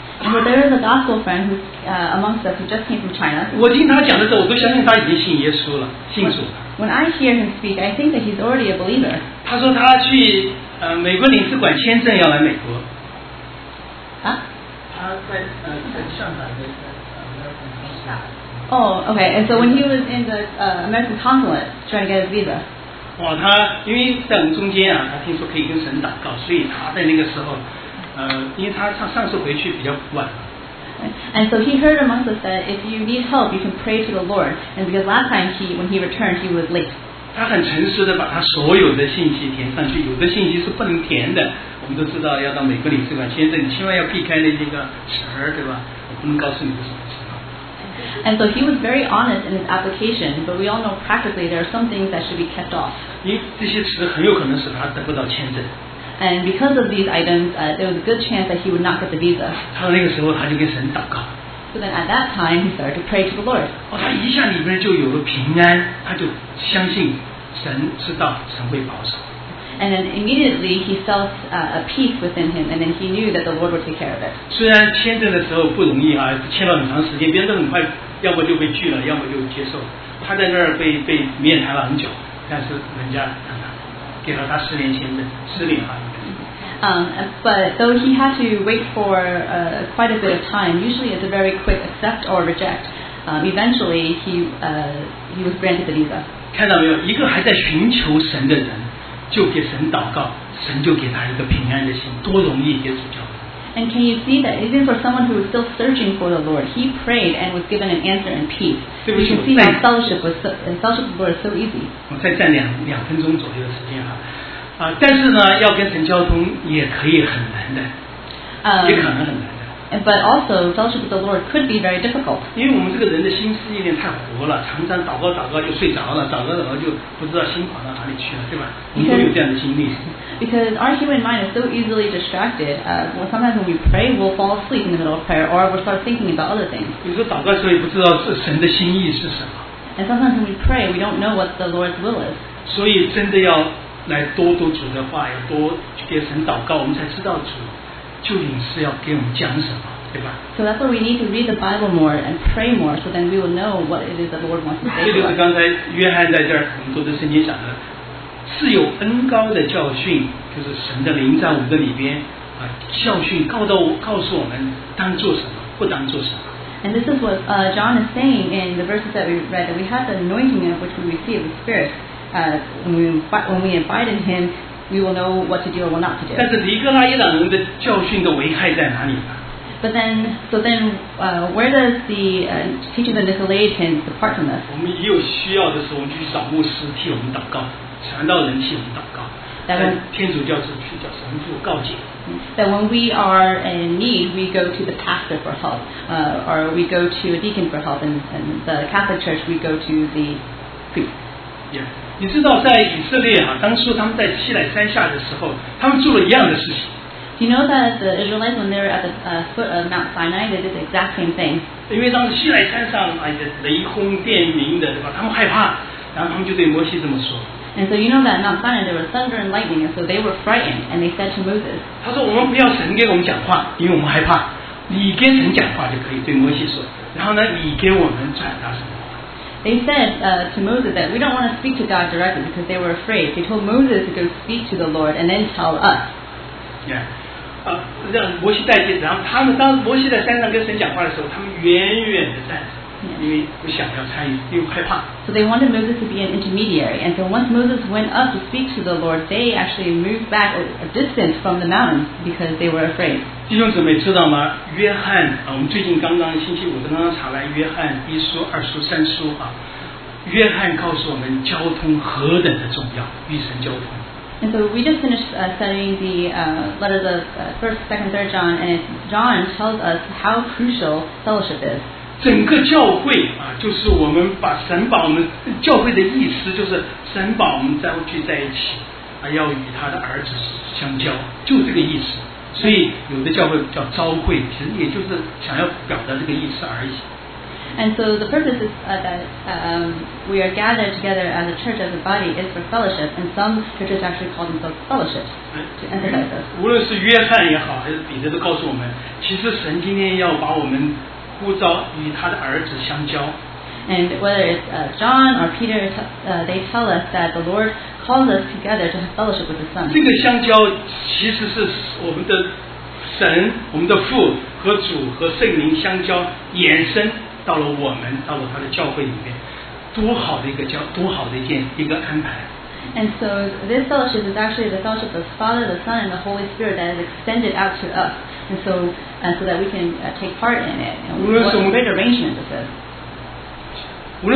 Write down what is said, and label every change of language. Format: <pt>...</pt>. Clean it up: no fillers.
<en>And so there is a gospel friend who's amongst us who just came from China.</en> <zh>我听他讲的时候，我都相信他已经信耶稣了，信主了。</zh> <en>When I hear him speak, I think that he's already a believer.</en> <zh>他说他去美国领事馆签证要来美国。啊？他在上海的</zh> <en>Oh, okay. And so when he was in the American consulate trying to get his visa.</en> <zh>哇，他因为在我们中间啊，他听说可以跟神祷告，所以他在那个时候，因为他上次回去比较晚。</zh> <en>And so he heard amongst us that if you need help, you can pray to the Lord. And because last time when he returned, he was late.</en> <zh>他很诚实的把他所有的信息填上去，有的信息是不能填的。我们都知道要到美国领事馆签证，你千万要避开那些个词儿，对吧？我不能告诉你的什么。</zh> <en>And so he was very honest in his application, but we all know practically there are some things that should be kept off.</en> <zh>因为这些词很有可能使他得不到签证。</zh> <en>And because of these items, there was a good chance that he would not get the visa.</en> <zh>他那个时候他就跟神祷告。</zh> <en>So then at that time, he started to pray to the Lord.</en> <zh>他一下里面就有了平安，他就相信神知道，神会保守。</zh> <en>And then immediately he felt a peace within him, and then he knew that the Lord would take care of it.</en> <zh>虽然签证的时候不容易啊，签了很长时间，别人都很快，要么就被拒了，要么就接受。他在那儿被面谈了很久，但是人家给了他十年签证，十年啊。</zh> <en>But though he had to wait for quite a bit of time, usually it's a very quick accept or reject. Eventually he was granted the visa.</en> <zh>看到没有，一个还在寻求神的人。就给神祷告，神就给他一个平安的心，多容易接受教导。</zh> <en>And can you see that even for someone who is still searching for the Lord, he prayed and was given an answer and peace. You can see that fellowship with the Lord is so easy.</en> <zh>我再占两分钟左右的时间哈，但是呢，要跟神交通也可以很难的，也可能很难的。</zh> <en>But also fellowship with the Lord could be very difficult.</en> <zh>因为我们这个人的心思有点太活了，常常祷告祷告就睡着了，祷告祷告就不知道心跑到哪里去了，对吧？我们都有这样的经历。</zh> <en>Because our human mind is so easily distracted. Sometimes when we pray, we'll fall asleep in the middle of prayer, or we'll start thinking about other things.</en> <zh>有时候祷告的时候也不知道是神的心意是什么。</zh> <en>And sometimes when we pray, we don't know what the Lord's will is.</en> <zh>所以真的要来多读主的话，要多给神祷告，我们才知道主究竟是要给我们讲什么，对吧？</zh> <en>So that's why we need to read the Bible more and pray more, so then we will know what it is the Lord wants to say.</en> <zh>这就是刚才约翰在这儿很多的圣经讲的，是有恩膏的教训，就是神的灵在我们的里边啊，教训告诉我们当做什么，不当做什么。</zh> <en>And this is what John is saying in the verses that we read, that we have the anointing of which we receive the Spirit. When we abide in Him, we will know what to do or what not to do.</en> <zh>但是黎哥拉耶党人的教训的危害在哪里呢？</zh> <en>But then, so then, where does the teaching of the Nicolaitans depart from us?</en> <zh>我们也有需要的时候，我们去找牧师替我们祷告，传道人替我们祷告。</zh> <en>That when we are in need, we go to the pastor for help, or we go to a deacon for help, and the Catholic Church, we go to the priest. Yeah.</en> <zh>你知道在以色列啊，当初他们在西乃山下的时候，他们做了一样的事情。</zh> <en>Do you know that the Israelites, when they were at the foot of Mount Sinai, they did the exact same thing?</en> <zh>因为当时西乃山上啊，雷轰电鸣的，对吧？他们害怕，然后他们就对摩西这么说。</zh> <en>And so you know that Mount Sinai there was thunder and lightning, and so they were frightened, and they said to Moses.</en> <zh>他说我们不要神给我们讲话，因为我们害怕。你跟神讲话就可以，对摩西说。然后呢，你给我们转达什么？</zh> <en>They said to Moses that we don't want to speak to God directly because they were afraid. They told Moses to go speak to the Lord and then tell us. Yeah,</en> <zh>让摩西代替。然后他们当摩西在山上跟神讲话的时候，他们远远的站着。</zh> <en>Yeah. So they wanted Moses to be an intermediary, and so once Moses went up to speak to the Lord, they actually moved back a distance from the mountains because they were afraid.</en> <zh>弟兄姊妹知道吗？约翰啊，我们最近刚刚星期五刚刚查来约翰一书、二书、三书啊，约翰告诉我们交通何等的重要，与神交通。</zh> <en>And so we just finished studying the letters of First, Second, Third John, and John tells us how crucial fellowship is.</en> <zh>整个教会啊，就是我们把神把我们教会的意思，就是神把我们召聚在一起啊，要与他的儿子相交，就这个意思。所以有的教会叫召会，其实也就是想要表达这个意思而已。</zh> <en>And so the purpose is that we are gathered together as a church, as a body, is for fellowship. And some churches actually call themselves fellowship to emphasize this.</en> <zh>无论是约翰也好，还是彼得都告诉我们，其实神今天要把我们。呼召与他的儿子相交。</zh> <en>And whether it's John or Peter, they tell us that the Lord calls us together to have fellowship with the Son.</en> <zh>这个相交其实是我们的神、我们的父和主和圣灵相交，延伸到了我们，到了他的教会里面，多好的一个交，多好的一个安排。</zh> <en>And so this fellowship is actually the fellowship of Father, the Son, and the Holy Spirit that is extended out to us. And so, so that we can take part in it. What a great arrangement this is.</en>